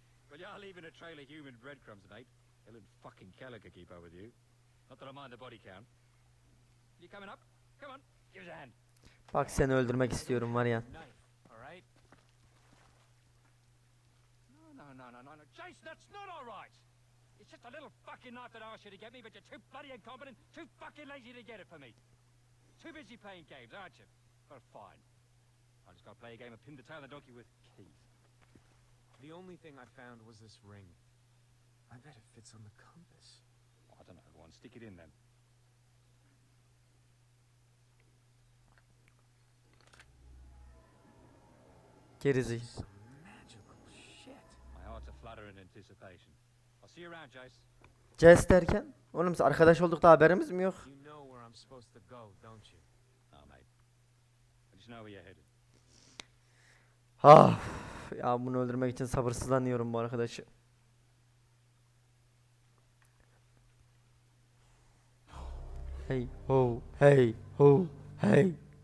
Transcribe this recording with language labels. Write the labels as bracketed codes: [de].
[en] Well, you're leaving a trail of human breadcrumbs, mate. Hell and fucking Keller could keep up with you. Not that I mind the body count. You coming up? Come on, give us a hand. [tr] Bak, seni öldürmek istiyorum var ya. [en] Alright. No. Jason, that's not alright. It's just a little fucking knife that I asked you to get me, but you're too bloody incompetent, too fucking lazy to get it for me. Too busy playing games, aren't you? Well, fine. I just gotta play a game of pin the tail of the donkey with Keith. The only thing I found was this ring. I bet it fits on the compass. Oh, I don't know, everyone. Stick it in then. Gerizi. Some magical shit. My heart's a flutter in anticipation. I'll see you around, Jace. [tr] Jace derken? Oğlum, arkadaş olduktan haberimiz mi yok? [en] You know where I'm supposed to go, don't you? No, mate. I just know where you're headed. [tr] Ah, ya bunu öldürmek için sabırsızlanıyorum bu arkadaşı. [en] Hey ho, hey ho, hey.